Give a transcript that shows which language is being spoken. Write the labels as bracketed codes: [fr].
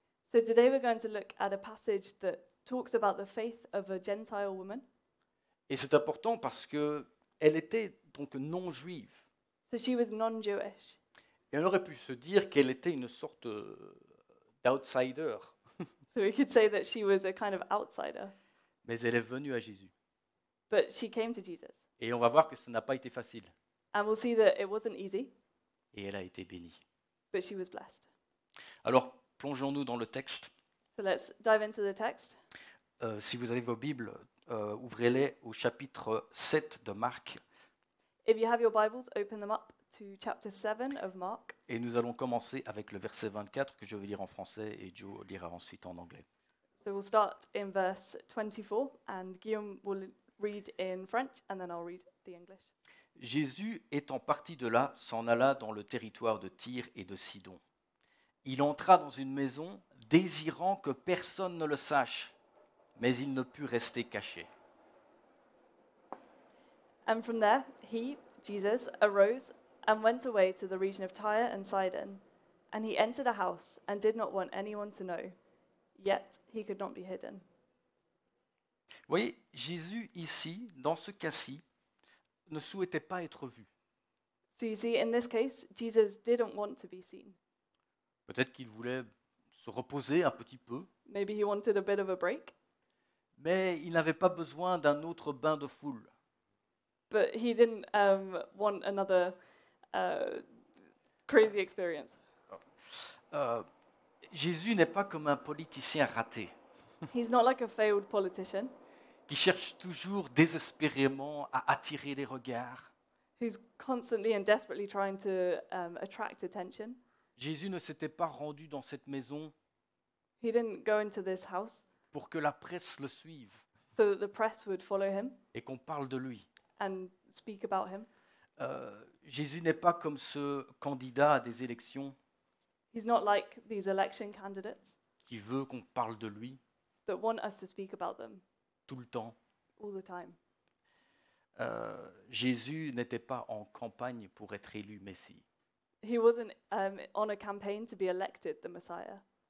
[en] So today we're going to look at a passage that talks about the faith of a Gentile woman. [fr] Et c'est important parce que elle était donc non juive. [en] So she was non-Jewish. [fr] Et elle aurait pu se dire qu'elle était une sorte outsider. [en] So we could say that she was a kind of outsider. [fr] Mais elle est venue à Jésus. [en] But she came to Jesus. [fr] Et on va voir que ça n'a pas été facile. [en] And we'll see that it wasn't easy. [fr] Et elle a été bénie. [en] But she was blessed. [fr] Alors, plongeons-nous dans le texte. [en] So let's dive into the text. [fr] Si vous avez vos Bibles, ouvrez-les au chapitre 7 de Marc. [en] If you have your Bibles, open them up to chapter 7 of Mark. [fr] Et nous allons commencer avec le verset 24 que je vais lire en français et Joe lira ensuite en anglais. [en] So we'll start in verse 24 and Guillaume will read in French and then I'll read the English. [fr] Jésus étant parti de là, s'en alla dans le territoire de Tyr et de Sidon. Il entra dans une maison, désirant que personne ne le sache, mais il ne put rester caché. [en] And from there, he, Jesus, arose and went away to the region of Tyre and Sidon. And he entered a house and did not want anyone to know. Yet, he could not be hidden. [fr] Vous voyez, Jésus ici, dans ce cas-ci, ne souhaitait pas être vu. [en] So you see, in this case, Jesus didn't want to be seen. [fr] Peut-être qu'il voulait se reposer un petit peu. [en] Maybe he wanted a bit of a break. [fr] Mais il n'avait pas besoin d'un autre bain de foule. [en] But he didn't want another crazy experience. [fr] Jésus n'est pas comme un politicien raté. [en] He's not like a failed politician. [fr] Qui cherche toujours désespérément à attirer les regards. [en] Who's constantly and desperately trying to attract attention. [fr] Jésus ne s'était pas rendu dans cette maison. [en] He didn't go into this house. [fr] Pour que la presse le suive. [en] So that the press would follow him. [fr] Et qu'on parle de lui. [en] And speak about him. [fr] Jésus n'est pas comme ce candidat à des élections. [en] He's not like these election candidates. [fr] Qui veut qu'on parle de lui. [en] That want us to speak about them. [fr] Tout le temps. [en] All the time. [fr] Jésus n'était pas en campagne pour être élu Messie. [en] He wasn't on a campaign to be elected the Messiah.